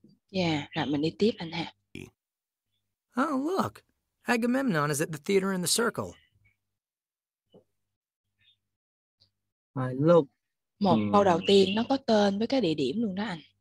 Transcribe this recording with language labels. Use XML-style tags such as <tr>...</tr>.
<vi>Yeah, rồi mình đi tiếp anh ha.</vi> <en>Oh, look. Agamemnon is at the theater in the circle. I look.</en> <vi>Một câu đầu tiên nó có tên với cái địa điểm luôn đó anh.</vi>